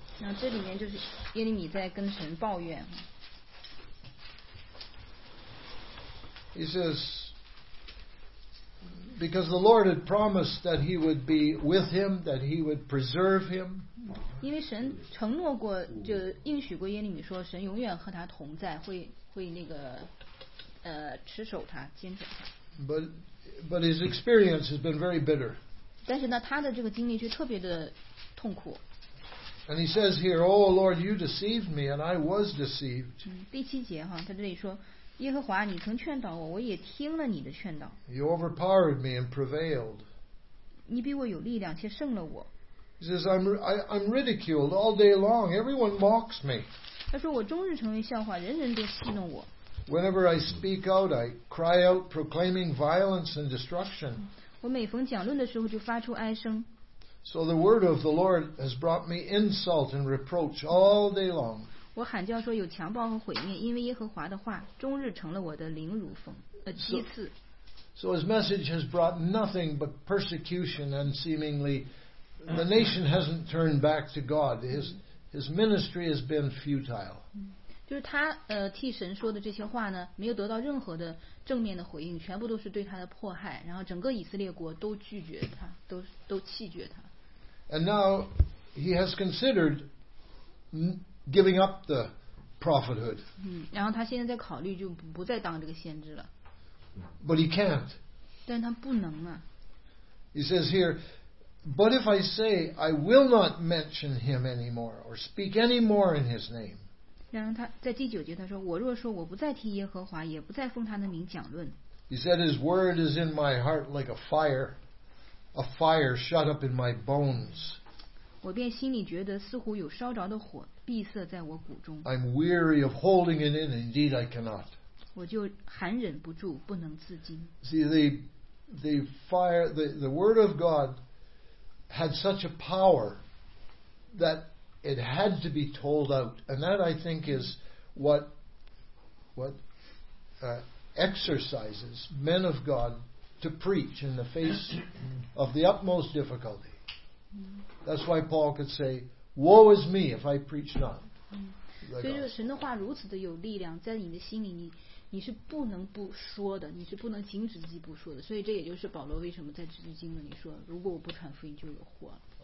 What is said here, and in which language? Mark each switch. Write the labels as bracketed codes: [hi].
[zh] 那这里面就是耶利米在跟神抱怨。 [en] He says, because the Lord had promised that he would be with him, that he would preserve him. [zh] 因为神承诺过，就应许过耶利米说，神永远和他同在，会那个持守他，坚守他。 [en] But his experience has been very bitter. [zh] 但是呢，他的这个经历却特别的痛苦。 [en] And he says here, "Oh Lord, you deceived me, and I was deceived." [zh] 第七节哈，他这里说，耶和华，你曾劝导我，我也听了你的劝导。 [en] You overpowered me and prevailed. [zh] 你比我有力量，且胜了我。 [en] He says, I'm ridiculed all day long. Everyone mocks me. [zh] 他说我终日成为笑话，人人都戏弄我。 [en] Whenever I speak out, I cry out, proclaiming violence and destruction. [zh] 我每逢讲论的时候就发出哀声。 [en] So the word of the Lord has brought me insult and reproach all day long. [zh] 我喊叫说有强暴和毁灭，因为耶和华的话终日成了我的凌辱讽讥刺。 [en] So his message has brought nothing but persecution and seemingly. The nation hasn't turned back to God. His ministry has been futile. [zh] 就是他替神说的这些话呢，没有得到任何的正面的回应，全部都是对他的迫害。然后整个以色列国都拒绝他，都弃绝他。 [en] And now he has considered giving up the prophethood. [zh] 然后他现在在考虑就不再当这个先知了。 [en] But he can't. [zh] 但他不能啊。 [en] He says here. But if I say I will not mention him anymore or speak any more in his name. [zh] 然后他在第九节他说我若说我不再提耶和华也不再奉他的名讲论。 [en] He said his word is in my heart like a fire shut up in my bones. [zh] 我便心里觉得似乎有烧着的火闭塞在我骨中。 [en] I'm weary of holding it in, indeed I cannot. [zh] 我就含忍不住不能自禁。 [en] See the fire, the word of God. Had such a power that it had to be told out, and that I think is what exercises men of God to preach in the face of the utmost difficulty. That's why Paul could say, "Woe is me if I preach not." [zh] 所以，神的话如此的有力量，在你的心里，你是不能不说的，你是不能停止自己不说的。所以这也就是保罗为什么在这经文里说，如果我不传福音，就有祸了。